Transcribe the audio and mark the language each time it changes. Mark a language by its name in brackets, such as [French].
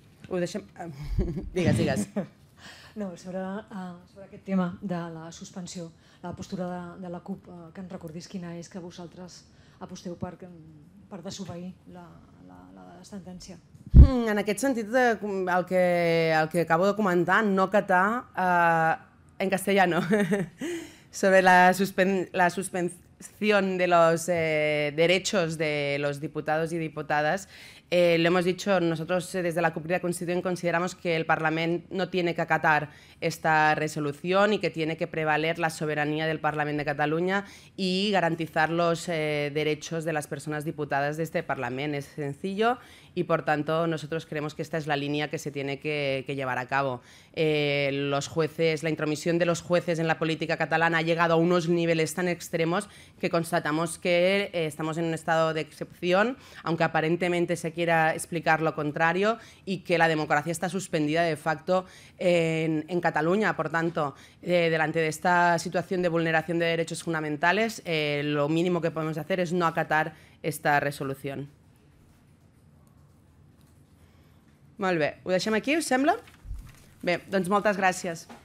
[Catalan] Ho deixem... Digues, digues. No, sobre aquest tema de la suspensió, la postura de la CUP, que ens recordis quina és, que vosaltres aposteu per desobeir la sentència. En aquest sentit, el que acabo de comentar, [Spanish] no acatar, en castellano, sobre la suspensió de los derechos de los diputados y diputadas, Lo hemos dicho, nosotros desde la Cumbre Constituyente consideramos que el Parlamento no tiene que acatar esta resolución y que tiene que prevaler la soberanía del Parlamento de Cataluña y garantizar los derechos de las personas diputadas de este Parlamento. Es sencillo y, por tanto, nosotros creemos que esta es la línea que se tiene que llevar a cabo. Los jueces, la intromisión de los jueces en la política catalana ha llegado a unos niveles tan extremos que constatamos que estamos en un estado de excepción, aunque aparentemente se quiera explicar lo contrario, y que la democracia está suspendida de facto en Cataluña. Por tanto, delante de esta situación de vulneración de derechos fundamentales, lo mínimo que podemos hacer es no acatar esta resolución. [Catalan] Molt bé, ho deixem aquí, us sembla? Bé, doncs moltes gràcies.